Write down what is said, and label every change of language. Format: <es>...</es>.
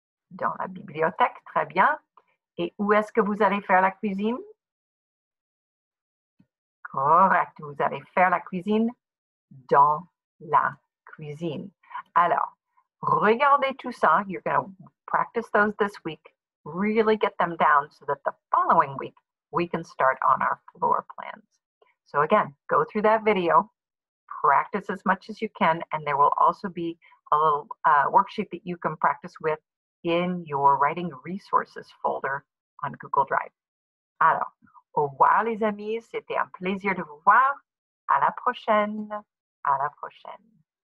<fr>Dans la bibliothèque, très bien. Et où est-ce que vous allez faire la cuisine? Correct, vous allez faire la cuisine dans la cuisine. Alors, regardez tout ça.</fr> <en>You're going to practice those this week. Really get them down so that the following week we can start on our floor plans. So again, go through that video, practice as much as you can, and there will also be a little worksheet that you can practice with in your writing resources folder on Google Drive.</en> <fr>Alors, au revoir les amis, c'était un plaisir de vous voir. À la prochaine. À la prochaine.</fr>